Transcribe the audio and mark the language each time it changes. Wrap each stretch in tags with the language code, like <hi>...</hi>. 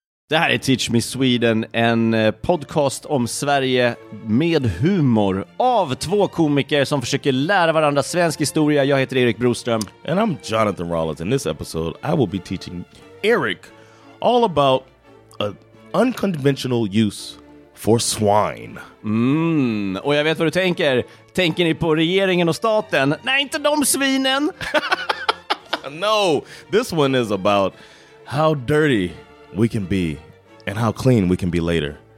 <sv>Det här är Teach Me Sweden, en podcast om Sverige med humor av två komiker som försöker lära varandra svensk historia. Jag heter Erik Broström.</sv> <en>And I'm Jonathan Rollins. In this episode, I will be teaching Eric all about an unconventional use for swine.</en> <sv>Mm, och jag vet vad du tänker. Tänker ni på regeringen och staten? Nej, inte de svinen!</sv> <en>No, this one is about how dirty we can be and how clean we can be later.</en>